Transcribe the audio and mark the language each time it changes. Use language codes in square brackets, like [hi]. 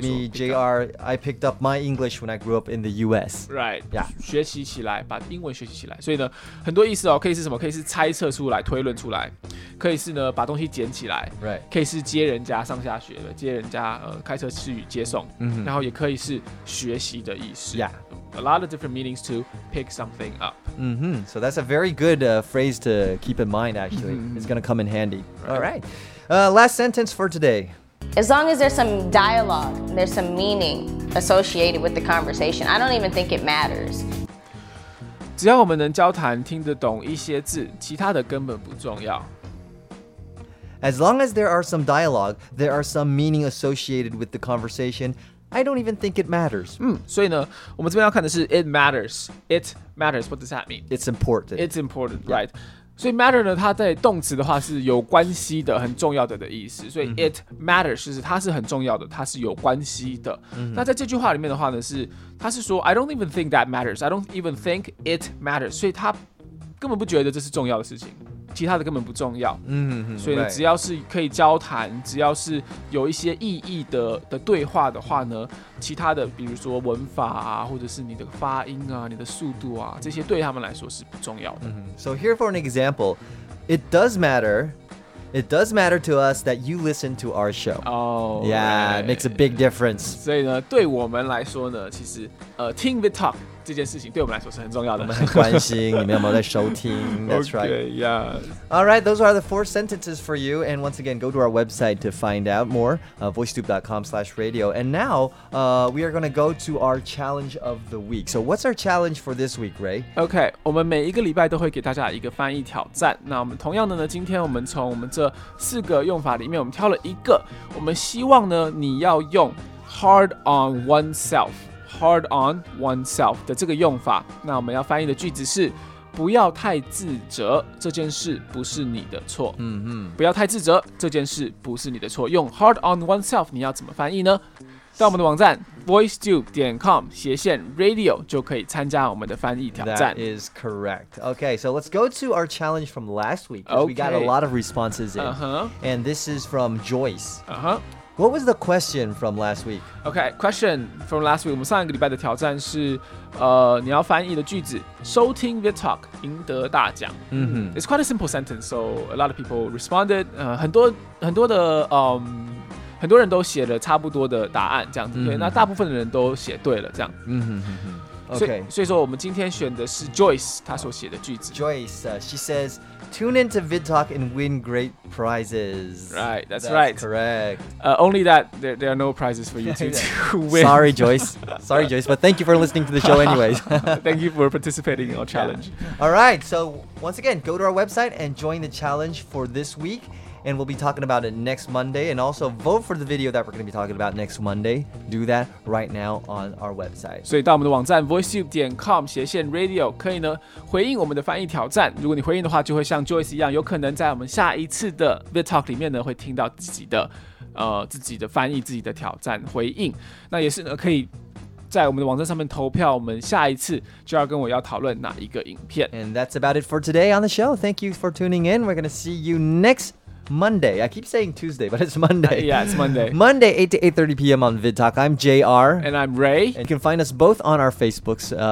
[en] Like me, JR I picked up my English when I grew up in the US Right、 yeah. [zh] 学习起来把英文学习起来所以呢很多意思哦可以是什么可以是猜测出来推论出来可以是呢把东西捡起来、 [en] right. [zh] 可以是接人家上下学的接人家、开车去接送、 mm-hmm. 然后也可以是学习的意思 [en] Yeah a lot of different meanings to pick something up. Mm-hmm. So that's a very good phrase to keep in mind, actually. Mm-hmm. It's going to come in handy. Right. All right. Last sentence for today. As long as there's some dialogue, there's some meaning associated with the conversation, I don't even think it matters. [zh] 只要我们能交谈，听得懂一些字，其他的根本不重要。 [en] As long as there are some dialogue, there are some meaning associated with the conversation, I don't even think it matters. [zh] 所以呢，我们这边要看的是 [en] it matters. It matters. What does that mean? It's important. It's important, right?、Yeah. [zh] 所以 matter 呢，它在动词的话是有关系的，很重要的意思。所以 [en] it matters [zh] 就是它是很重要的，它是有关系的。那在这句话里面的话呢，是它是说 [en] I don't even think that matters, I don't even think it matters。 [zh] 所以它根本不觉得这是重要的事情，其他的根本不重要。所以呢，只要是可以交谈，只要是有一些意义的对话的话呢，其他的比如说文法啊，或者是你的发音啊，你的速度啊，这些对他们来说是不重要的。 [en] So here for an example, it does matter. It does matter to us that you listen to our show. Oh, yeah, right. It makes a big difference. [zh] 所以呢，对我们来说呢，其实听 VidTalk。这件事情对我们来说是很重要的。我们很关心你们有没有在收听。 [en] That's right. Okay, yeah. All right, those are the four sentences for you. And once again, go to our website to find out more, voicetube.com/radio. And now, we are going to go to our challenge of the week. So what's our challenge for this week, Ray? [zh] Okay, 我们每一个礼拜都会给大家一个翻译挑战。那我们同样的呢，今天我们从我们这四个用法里面我们挑了一个。我们希望呢，你要用 hard on oneself。 Hard on oneself 的这个用法，那我们要翻译的句子是：不要太自责，这件事不是你的错。不要太自责，这件事不是你的错。用 hard on oneself， 你要怎么翻译呢？到我们的网站 voicetube.com/radio 就可以参加我们的翻译挑战。 [en] That is correct. Okay, so let's go to our challenge from last week. Okay. We got a lot of responses in,、and this is from Joyce. What was the question from last week? Okay, question from last week. [zh] 我们上一个礼拜的挑战是，你要翻译的句子，收听 VidTalk 赢得大奖。 [en] It's quite a simple sentence, so a lot of people responded. [zh] 很多的很多人都写了差不多的答案，这样子。对，那大部分的人都写对了，这样。 [en] Okay. [zh] 所以说我们今天选的是 Joyce 她所写的句子。 [en] Joyce, she says, tune into VidTalk and win great prizes. Right, that's right. Correct. Only that there are no prizes for you to win. Sorry, Joyce. Sorry, Joyce, but thank you for listening to the show anyways. Thank you for participating in our challenge. All right, so once again, go to our website and join the challenge for this week. And we'll be talking about it next Monday. And also vote for the video that we're going to be talking about next Monday. Do that right now on our website. [zh] 所以到我们的网站 voicetube.com/radio 可以呢回应我们的翻译挑战。如果你回应的话，就会像 Joyce 一样，有可能在我们下一次的 VidTalk 里面呢会听到自己的翻译、自己的挑战回应。那也是呢可以。在我们的网站上面投票，我们下一次就要跟我要讨论哪一个影片。 [en] And that's about it for today on the show. Thank you for tuning in. We're going to see you next Monday. I keep saying Tuesday, but it's Monday. Yeah, it's Monday. Monday, 8 to 8:30 p.m. on VidTalk. I'm JR. And I'm Ray. And you can find us both on our Facebooks.